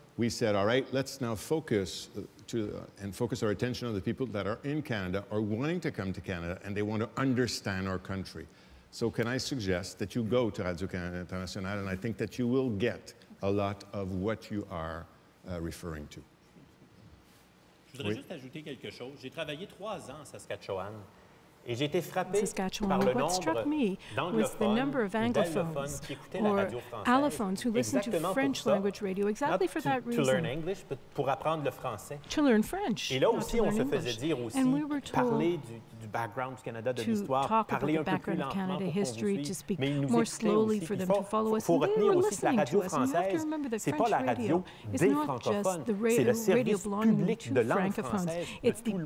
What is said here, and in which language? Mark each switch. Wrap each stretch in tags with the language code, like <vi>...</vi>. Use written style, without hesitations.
<en>We said, all right, let's now focus our attention on the people that are in Canada or wanting to come to Canada, and they want to understand our country. So can I suggest that you go to Radio-Canada International, and I think that you will get a lot of what you are referring to.</en> <fr>Je voudrais juste ajouter quelque chose. J'ai travaillé 3 ans à Saskatchewan et j'ai été frappé par le nombre d'anglophones qui écoutaient la radio française.</fr> <en>Who listened to French language radio exactly for that reason. To learn English, but</en> <fr>pour apprendre le français.</fr> <en>To learn French.</en> <fr>Et là aussi, on se faisait dire aussi parler du background du Canada, de l'histoire, parler un peu plus lentement pour qu'on vous suive, mais ils nous expliquaient aussi qu'il faut retenir aussi que la radio française, c'est pas la radio des francophones, c'est le service public de langue française de tout le</fr>